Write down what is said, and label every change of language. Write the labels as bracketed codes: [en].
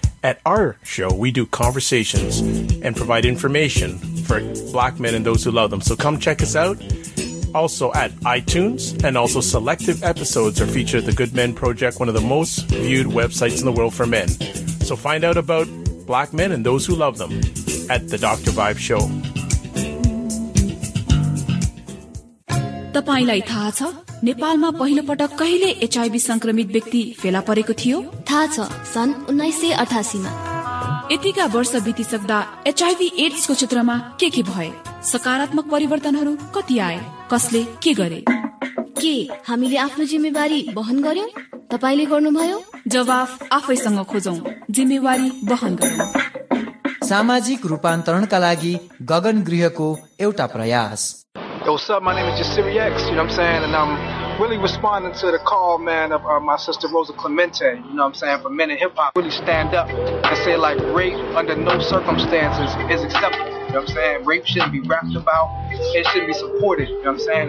[en] At our show, we do conversations and provide information for black men and those who love them. So come check us out. Also at iTunes, and also selective episodes are featured at the Good Men Project, one of the most viewed websites in the world for men. So find out about black men and those who love them at the Dr. Vibe Show. [ne] तपाईलाई थाहा छ नेपालमा पहिलो पटक कहिले HIV संक्रमित व्यक्ति फेला परेको थियो थाहा छ सन् 1988 मा यतिका वर्ष बितिसक्दा एचआईभी एड्स को क्षेत्रमा के भए सकारात्मक परिवर्तनहरू कति आए कसले के गरे के हामीले आफ्नो जिम्मेवारी बहन गर्यौ? तपाईले गर्नुभयो? जवाफ आफैसँग खोजौ, जिम्मेवारी बहन गरौ। सामाजिक रूपान्तरणका लागि गगन गृहको एउटा प्रयास। [en] Yo, what's up? My name is Jasiri X, you know what I'm saying? And I'm really responding to the call, man, of my sister Rosa Clemente, you know what I'm saying? For Men in Hip Hop, really stand up and say, like, rape under no circumstances is acceptable, you know what I'm saying? Rape shouldn't be rapped about, it shouldn't be supported, you know what I'm saying?